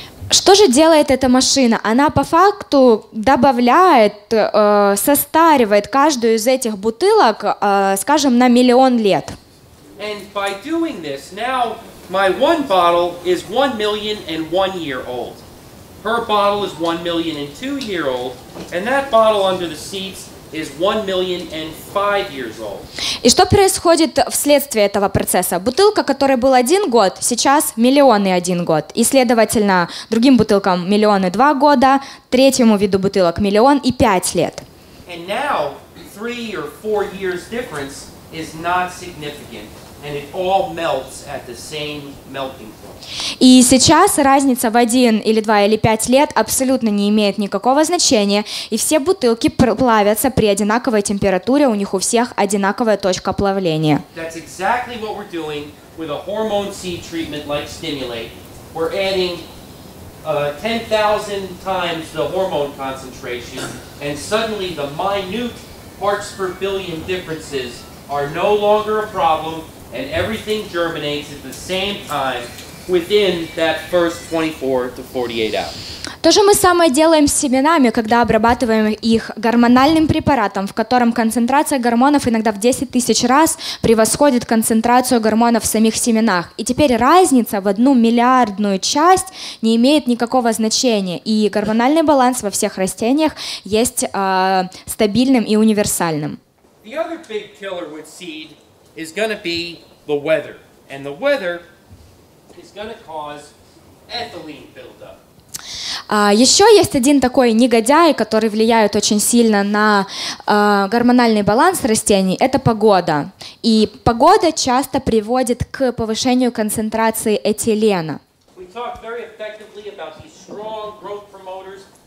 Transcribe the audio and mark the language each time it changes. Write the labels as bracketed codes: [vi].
[ru] Что же делает эта машина? Она по факту добавляет, состаривает каждую из этих бутылок, скажем, на миллион лет. [en] And by doing this, now my one bottle is 1,001,000 year old. Her bottle is 1,002,000 year old, and that bottle under the seats is 1,005,000 years old. [ru] И что происходит вследствие этого процесса? Бутылка, которой был один год, сейчас миллион и один год. И, следовательно, другим бутылкам миллион и два года, третьему виду бутылок миллион и пять лет. [en] And now, 3 or 4 years difference is not significant. And it all melts at the same melting point. [ru] И сейчас разница в 1 или 2 или 5 лет абсолютно не имеет никакого значения, и все бутылки плавятся при одинаковой температуре, у них у всех одинаковая точка плавления. [en] That's exactly what we're doing with a hormone C treatment like Stimulate. We're adding 10,000 times the hormone concentration, and suddenly the minute parts per billion differences are no longer a problem. And everything germinates at the same time within that first 24 to 48 hours. [ru] То же мы самое делаем с семенами, когда обрабатываем их гормональным препаратом, в котором концентрация гормонов иногда в 10 тысяч раз превосходит концентрацию гормонов в самих семенах. И теперь разница в 1 миллиардную часть не имеет никакого значения, и гормональный баланс во всех растениях есть стабильным и универсальным. [en] The other big killer with seed is going to be the weather. And the weather is going to cause ethylene buildup. [ru] Еще есть один такой негодяй, который влияет очень сильно на гормональный баланс растений, это погода. И погода часто приводит к повышению концентрации этилена. [en] We talked very effectively about these strong growth promoters.